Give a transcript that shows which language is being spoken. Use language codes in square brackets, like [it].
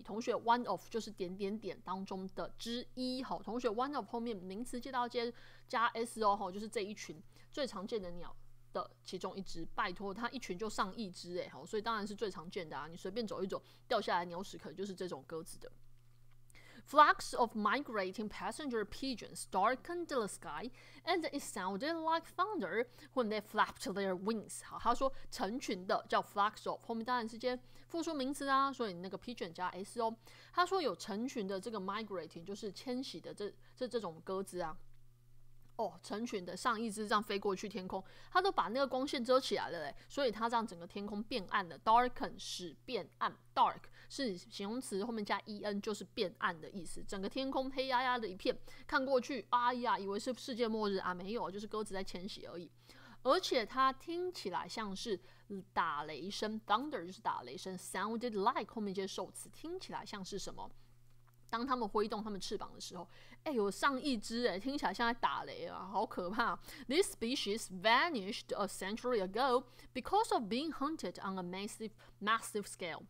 [zh] 同学 [en] one of [zh] 就是点点点当中的之一，好，同学 one of 后面名词接到接加 s 哦，就是这一群最常见的鸟的其中一只，拜托，它一群就上亿只哎，所以当然是最常见的啊。你随便走一走，掉下来鸟屎可能就是这种鸽子的。 [en] Flocks of migrating passenger pigeons darkened the sky, and it sounded like thunder when they flapped their wings. [zh] 好，他说成群的叫 [en] flocks of， [zh] 后面当然是接复数名词啊，所以那个 pigeon 加 s 哦。他说有成群的这个 migrating 就是迁徙的这种鸽子啊。哦，成群的上一只这样飞过去天空，它都把那个光线遮起来了，所以它这样整个天空变暗了。 Darken 使变暗 ，dark 是形容词，后面加 en 就是变暗的意思。整个天空黑压压的一片，看过去，哎呀，以为是世界末日啊，没有，就是鸽子在迁徙而已。而且它听起来像是打雷声 ，thunder 就是打雷声 ， [en] sounded like [zh] 后面接受词，听起来像是什么？当他们挥动他们翅膀的时候，哎，有上亿只哎，听起来像在打雷啊，好可怕。 [en] This species vanished a century ago because of being hunted on a massive scale.